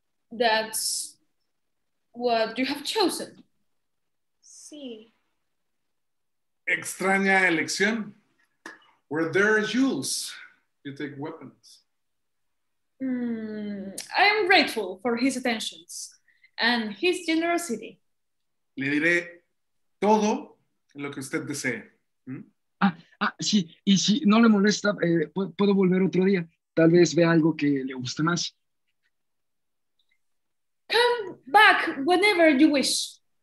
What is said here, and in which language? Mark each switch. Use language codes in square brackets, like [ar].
[en] That's what you have chosen. [es] Sí. Extraña elección. [en] Where there are jewels, you take weapons. I am grateful for his attentions and his generosity. [es] Le diré todo lo que usted desee. Sí, y si no le molesta, puedo volver otro día. Tal vez vea algo que le guste más. [en] Come back whenever you wish.